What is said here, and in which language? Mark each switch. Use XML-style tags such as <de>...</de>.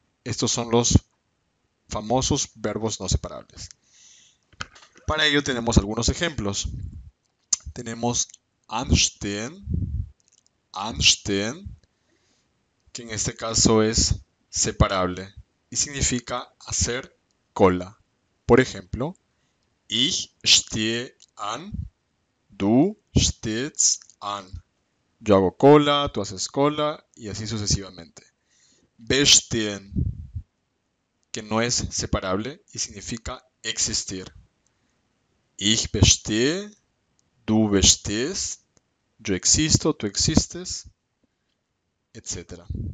<es>Estos son los famosos verbos no separables. Para ello tenemos algunos ejemplos. Tenemos anstehen, anstehen, que en este caso es separable y significa hacer cola. Por ejemplo,</es> <de>ich stehe an, du stehst an.</de> <es>Yo hago cola, tú haces cola y así sucesivamente. Bestehen, que no es separable y significa existir.</es> <de>Ich bestehe, du bestehst,</de> <es>yo existo, tú existes, etc.</es>